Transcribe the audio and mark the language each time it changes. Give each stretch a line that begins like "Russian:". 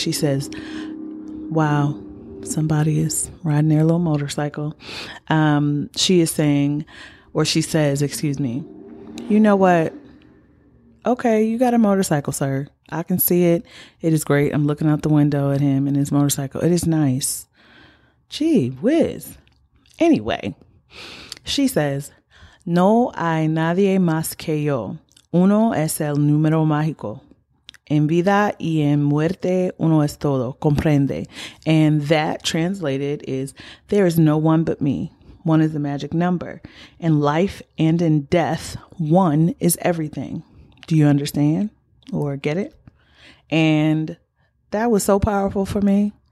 English: She says, wow, somebody is riding their little motorcycle. She is saying, or she says, excuse me, you know what? Okay, you got a motorcycle, sir. I can see it. It is great. I'm looking out the window at him and his motorcycle. It is nice. Gee whiz. Anyway, she says,
Spanish: no hay nadie más que yo. Uno es el número mágico. En vida y en muerte, uno es todo. Comprende.
English: And that translated is, there is no one but me. One is the magic number. In life and in death, one is everything. Do you understand or get it? And that was so powerful for me.